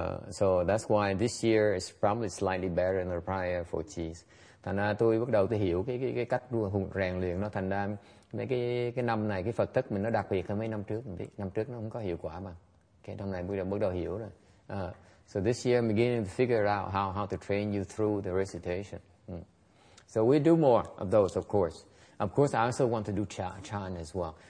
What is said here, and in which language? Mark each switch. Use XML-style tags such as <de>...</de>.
<en>So that's why this year is probably slightly better than the prior Fo Chi.</en> <vi>Thành ra tôi bắt đầu tôi hiểu cái cách rèn luyện nó, thành ra mấy cái năm này cái Phật thức mình nó đặc biệt hơn mấy năm trước. Năm trước nó không có hiệu quả mà. Cái năm này bắt đầu hiểu rồi.</vi> <en>So this year I'm beginning to figure out how to train you through the recitation. So we do more of those, of course. Of course, I also want to do chan as well.</en>